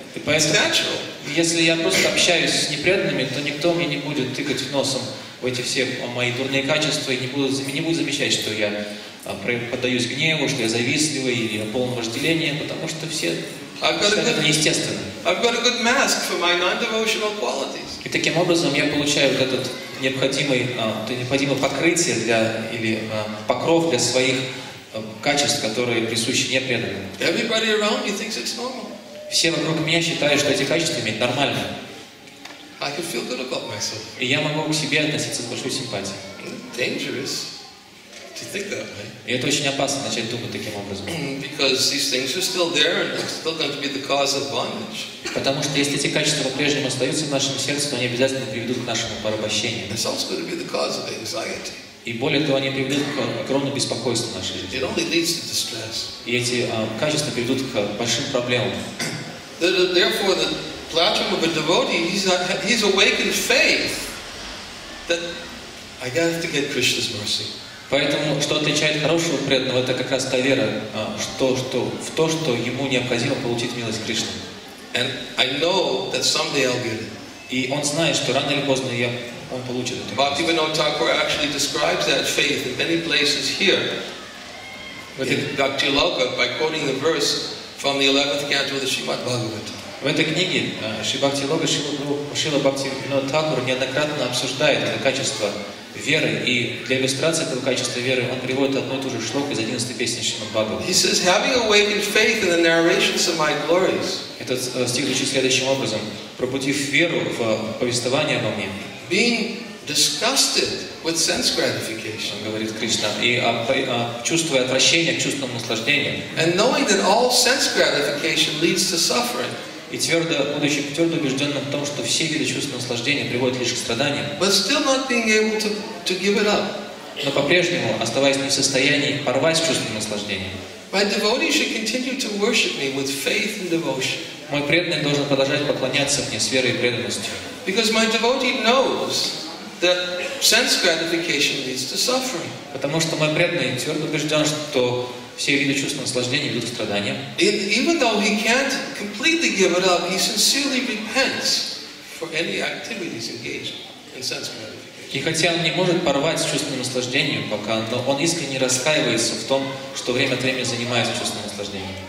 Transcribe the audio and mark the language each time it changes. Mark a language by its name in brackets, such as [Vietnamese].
[English] It's natural. [Russian] Если я просто общаюсь с непреданными, то никто мне не будет тыкать носом в эти все мои дурные качества и не будет замечать, что я поддаюсь гневу, что я завистливый или я полон вожделения, потому что все [English] I've got a good mask for my non-devotional qualities. [Russian] И таким образом я получаю вот этот необходимое покрытие для или покров для своих качеств, которые присущи непреданным. [English] Everybody around me thinks it's normal. [Russian] Все вокруг меня считают, что эти качества имеют нормально. [English] I can feel good about myself. [Russian] И я могу к себе относиться с большой симпатией. [English] Dangerous to think that way. [Russian] И это очень опасно начать думать таким образом. [English] Because these things are still there and they're still going to be the cause of bondage. [Russian] Потому что если эти качества по-прежнему остаются в нашем сердце, то они обязательно приведут к нашему порабощению. [English] It's also going to be the cause of anxiety. [Russian] И более того, они приведут к огромному беспокойству в нашей жизни. [English] It only leads to distress. [Russian] И эти качества приведут к большим проблемам. [English] Therefore, the platform of a devotee, he's awakened faith that I got to get Krishna's mercy. [Russian] Поэтому, что отличает хорошего преданного, это как раз та вера, в то, что ему необходимо получить милость Кришны. [English] And I know that someday I'll get it. [Russian] И он знает, что рано или поздно я он получит это. [English] Bhaktivinoda Thakur actually describes that faith in many places here, in Bhakti Loka, by quoting the verse from the 11th canto of the Srimad Bhagavatam. [Russian] В этой книге Шрила Бхактивинода Тхакура неоднократно обсуждает это качество веры, и для иллюстрации этого качества веры он приводит одну и ту же шлоку из 11-й песни Шримад Бхагаватам. [English] He says, having awakened faith in the narrations of my glories. [Russian] Этот стих звучит следующим образом: пробудив веру в повествование обо мне. [English] Being disgusted with sense gratification. [Russian] Говорит Кришна, и чувствуя отвращение к чувствам наслаждения. [English] And knowing that all sense gratification leads to suffering. [Russian] И твердо, будучи твердо убежденным в том, что все виды чувств наслаждения приводят лишь к страданиям, [English] but still not being able to give it up. [Russian] Но по-прежнему, оставаясь не в состоянии порвать с чувством наслаждения, [English] my devotee should continue to worship me with faith and devotion. [Russian] Мой преданный должен продолжать поклоняться мне с верой и преданностью. [English] Because my devotee knows that sense gratification leads to suffering. [Russian] Потому что мой преданный твердо убежден, что все виды чувств наслаждения ведут к страданиям. [English] Even though he can't completely give it up, he sincerely repents for any activities engaged in sense gratification. [Russian] И хотя он не может порвать с чувством наслаждения пока, но он искренне раскаивается в том, что время от времени занимается чувством наслаждения.